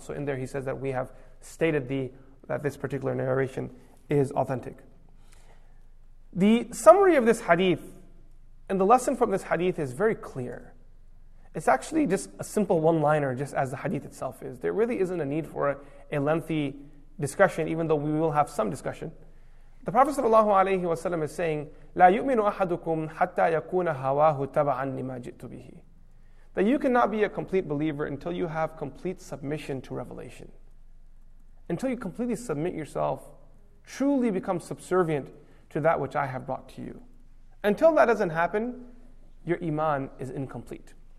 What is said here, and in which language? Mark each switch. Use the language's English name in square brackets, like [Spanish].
[English] So in there he says that we have stated that this particular narration is authentic. The summary of this hadith and the lesson from this hadith is very clear. It's actually just a simple one-liner, just as the hadith itself is. There really isn't a need for a lengthy discussion, even though we will have some discussion. The Prophet sallallahu alayhi wa sallam is saying, [Arabic] لا يؤمن أحدكم حتى يكون هواه تبعا لما جئت به. [English] That you cannot be a complete believer until you have complete submission to revelation. Until you completely submit yourself, truly become subservient to that which I have brought to you. Until that doesn't happen, your iman is incomplete.